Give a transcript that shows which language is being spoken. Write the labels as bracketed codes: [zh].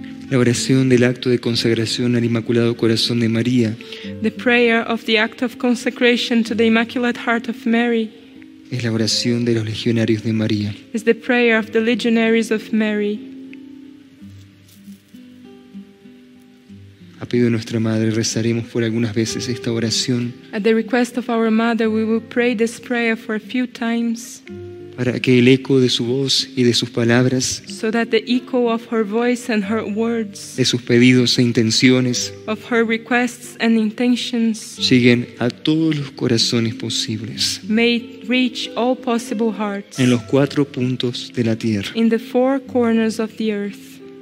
[es] La oración del acto de consagración al Inmaculado Corazón de María. [en] The prayer of the act of consecration to the Immaculate Heart of Mary. [es] Es la oración de los legionarios de María. [en] Is the prayer of the legionaries of Mary. [es] A pedido de nuestra madre rezaremos por algunas veces esta oración. [en] At the request of our mother we will pray this prayer for a few times. [es] Para que el eco de su voz y de sus palabras, [en] so that the echo of her voice and her words, [es] de sus pedidos e intenciones, [en] of her requests and intentions, [es] lleguen a todos los corazones posibles, [en] may reach all possible hearts, [es] en los cuatro puntos de la tierra, [en] in the four corners of the earth,